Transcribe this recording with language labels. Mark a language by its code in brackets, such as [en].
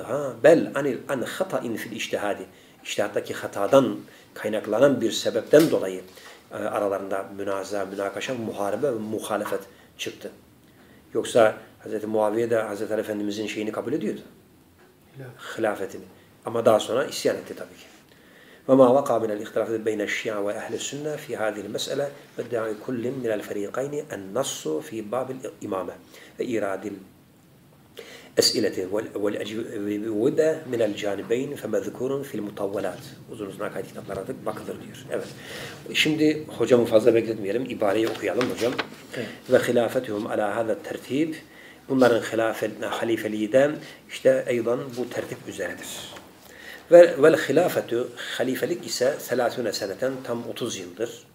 [tr] Ha, [ar] بَلْ عَنِ الْخَطَئِنْ فِي الْاِجْتِهَادِ [tr] İçtihattaki hatadan kaynaklanan bir sebepten dolayı aralarında münaza, münakaşa, muharebe ve muhalefet çıktı. Yoksa Hz. Muaviye de Hz. Ali Efendimiz'in şeyini kabul ediyordu. Hilafetini. Ama daha sonra isyan etti tabii ki. [ar] وما وقع من الاختلاف بين الشيعة وأهل السنة في هذه المسألة بدعى كل من الفريقين النص في باب الإمامة إيراد الأسئلة والأجوبة من الجانبين فما ذكر في المطولات [tr] uzun uzun hakikaten kitaplardık bakılır diyor. Evet. Şimdi hocamı fazla bekletmeyelim. İbareyi okuyalım hocam. [ar] Ve hilafetuhum ala hada tertib. [tr] Bunların hilafetine halifeliğinden işte aynen bu tertip üzeredir. وَالْخِلَافَةُ Halifelik ise 30 seneten tam 30 yıldır.